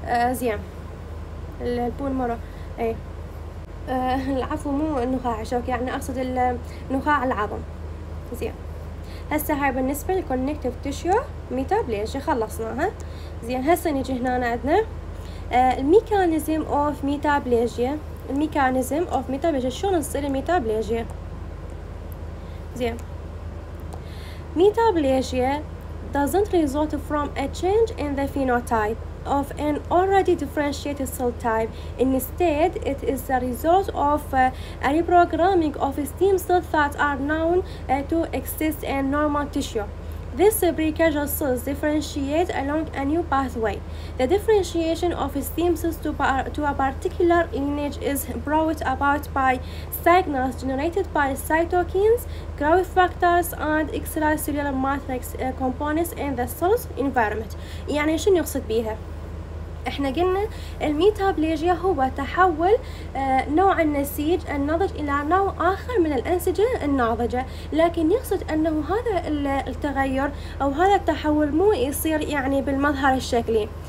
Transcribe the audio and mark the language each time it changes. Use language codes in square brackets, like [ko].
[ar] زين البول مارو العفو مو النخاع الشوكي، يعني اقصد النخاع العظم. زين هسه هاي بالنسبه للكونكتيف تيشو ميتابليج خلصناها. زين هسه نجي هنا عندنا الميكانيزم اوف ميتابليجيا. الميكانيزم اوف ميتابليجيا شلون تصير الميتابليجيا؟ زين ميتابليجيا [en] doesn't result from a change in the phenotype of an already differentiated cell type. Instead, it is the result of a reprogramming of stem cells that are known to exist in normal tissue. These precursor cells differentiate along a new pathway. The differentiation of stem cells to a particular lineage is brought about by signals generated by cytokines, growth factors, and extracellular matrix components in the cell's environment. [ar] يعني شنو يقصد بيها؟ احنا قلنا الميتابليجيا هو تحول نوع النسيج الناضج الى نوع اخر من الانسجة الناضجة، لكن يقصد انه هذا التغير او هذا التحول مو يصير يعني بالمظهر الشكلي.